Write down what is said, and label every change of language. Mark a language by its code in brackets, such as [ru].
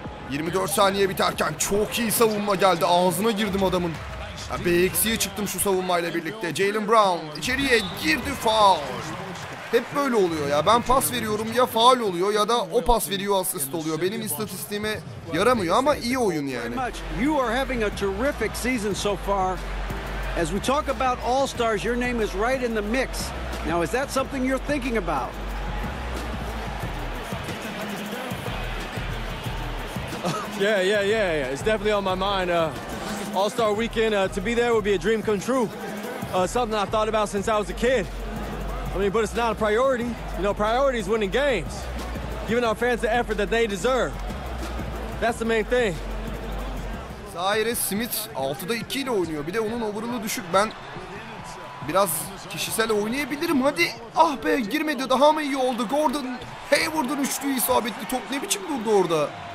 [tr] 24 saniye biterken çok iyi savunma geldi. Ağzına girdim adamın. B-X'ye çıktım şu savunmayla birlikte. Jaylen Brown. İçeriye girdi faul. Hep böyle oluyor ya. Ben pas veriyorum ya faul oluyor ya da o pas veriyor asist oluyor. Benim istatistiğime yaramıyor ama iyi oyun yani. [en] You are having a terrific season so far. As we talk about All-Stars, your name is right in the mix. Now is that something you're thinking about? Yeah. It's definitely on my mind. All-Star weekend to be there would be a dream come true. Something I thought about since I was a kid. I mean, but it's not a priority. You know, priority is winning games. Giving our fans the effort that they deserve. That's the main thing. [tr] Zaire Smith 6'da 2 ile oynuyor. Bir de onun overall'ı düşük. Ben biraz kişisel oynayabilirim. Hadi. Ah be girmedi. Daha mı iyi oldu? Gordon Hayward'ın üçlüğü isabetli. Top ne biçim durdu orada?